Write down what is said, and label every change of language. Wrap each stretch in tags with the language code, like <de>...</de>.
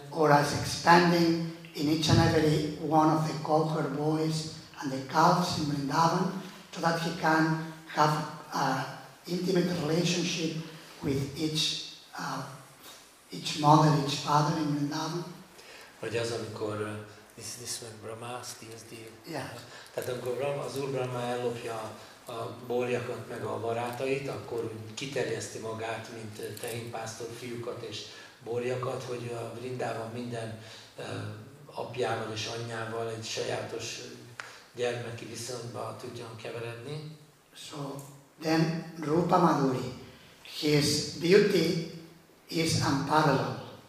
<en>Or as expanding in each and every one of the cowherd boys and the calves in Vrindavan, so that he can have an intimate relationship with each mother, each father in Vrindavan.</en> <hu>Vagy az, amikor</hu> <en>this when Brahma steals the... Yeah.</en> <hu>Tehát amikor az Úr Brahma ellopja a borjakat meg a barátait, akkor kiterjeszti magát, mint tehénpásztor fiúkat és borjakat, hogy a Vrindavan minden apjával és anyjával egy sajátos gyermeki viszonyba tudjon keveredni.</hu> <en>So, then Rupa Madhuri, his beauty is unparalleled.</en>